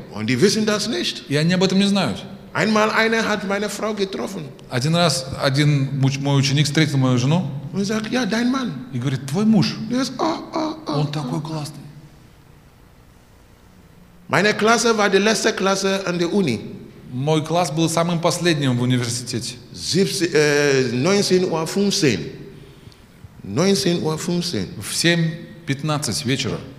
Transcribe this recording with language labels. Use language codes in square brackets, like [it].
[de] Und die wissen das nicht. [ru] И они об этом не знают. [de] Einmal einer hat meine Frau getroffen. [ru] Один раз один мой ученик встретил мою жену. [de] Und sagt, ja, dein Mann. [ru] И говорит, твой муж. [en] Yes. [ru] Он такой классный. [de] Meine Klasse war die letzte Klasse an der Uni. [ru] Мой класс был самым последним в университете. В 7:15 вечера.